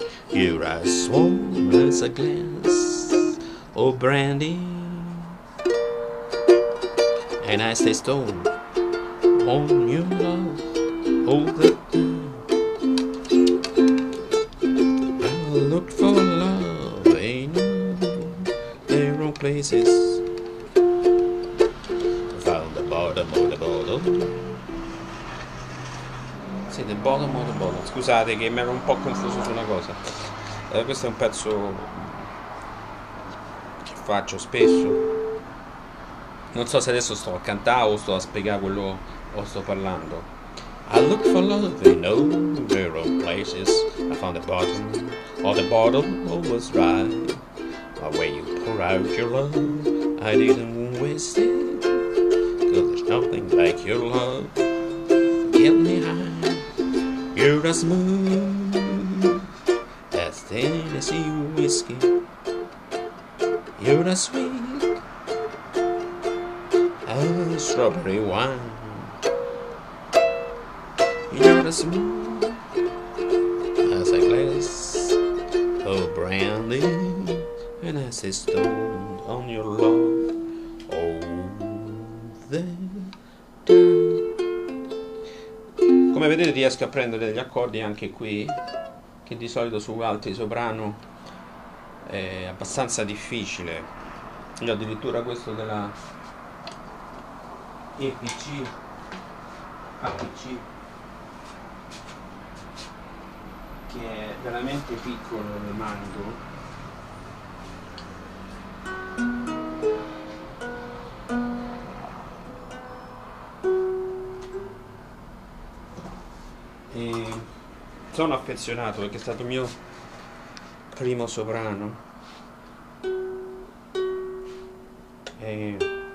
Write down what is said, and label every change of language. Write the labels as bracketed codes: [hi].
[en] You're as warm as a glass of brandy, and I stay stoned on your love all the time. I look for love in the wrong places, found the bottom of the bottle. [it] Sì, [en] the bottom of the bottle. [it] Scusate che mi ero un po' confuso su una cosa. Questo è un pezzo che faccio spesso. Non so se adesso sto a cantare o sto a spiegare quello o sto parlando. [en] I look for love in all the wrong places. I found the bottom of the bottle always right. But when you pour out your love, I didn't waste it. Cause there's nothing like your love. Get me high. You're as smooth as Tennessee whiskey. You're as sweet. Strawberry wine. You're as smooth as a glass of brandy, and as a stone on your love all the time. [it] Come vedete riesco a prendere degli accordi anche qui, che di solito su alti soprano è abbastanza difficile. Io addirittura questo della EPC APC, che è veramente piccolo, lo mando. E sono affezionato perché è stato il mio primo soprano. E